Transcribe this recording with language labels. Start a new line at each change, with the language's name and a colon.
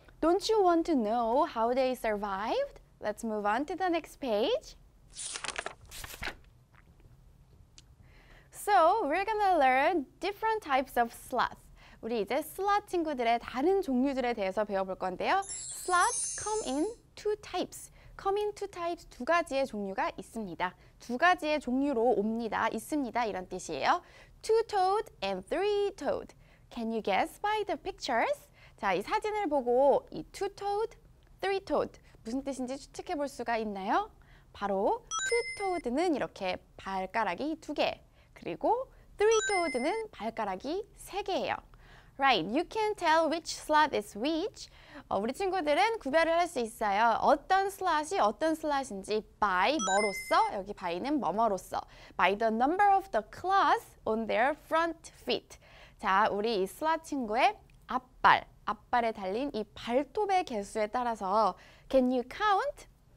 English: Don't you want to know how they survived? Let's move on to the next page. So, we're gonna learn different types of sloth.
Korean: 우리 이제 sloth 친구들의 다른 종류들에 대해서 배워볼 건데요.
English: Sloths come in two types. Come in two types,
Korean: 두 가지의 종류가 있습니다. 두 가지의 종류로 옵니다, 있습니다, 이런 뜻이에요.
English: Two-toed and three-toed. Can you guess by the pictures?
Korean: 자, 이 사진을 보고 이 two-toed, three-toed 무슨 뜻인지 추측해 볼 수가 있나요? 바로 two-toed는 이렇게 발가락이 두 개, 그리고 three-toed는 발가락이 세 개예요.
English: Right, you can tell which sloth is which.
Korean: 우리 친구들은 구별을 할 수 있어요. 어떤 sloth이 어떤 sloth인지
English: by 뭐로써,
Korean: 여기 by는 뭐뭐로써
English: by the number of the claws on their front feet.
Korean: 자, 우리 이 sloth 친구의 앞발, 앞발에 달린 이 발톱의 개수에 따라서
English: can you count?